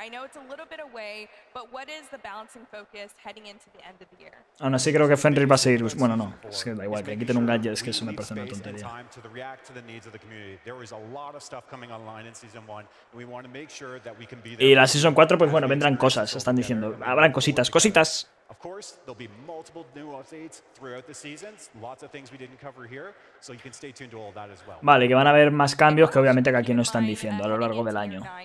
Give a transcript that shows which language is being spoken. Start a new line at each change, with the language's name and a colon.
English: I know it's a little bit away, but what is the balancing focus heading into the end of the year?
Spanish: Aún así creo que Fenrir va a seguir, bueno, no, es que da igual, que quiten un gadget, es que eso me parece una tontería.
English: Time to react to the needs of the community. There is a lot of stuff coming online in season 1, and we want to make sure that we can be there.
Spanish: Y la season 4 pues bueno, vendrán cosas, están diciendo, habrán cositas.
English: Of course, there'll be multiple new updates throughout the seasons. Lots of things we didn't cover here, so you can stay tuned to all that as well.
Spanish: Vale, que van a haber más cambios que obviamente que aquí no están diciendo a lo largo del año.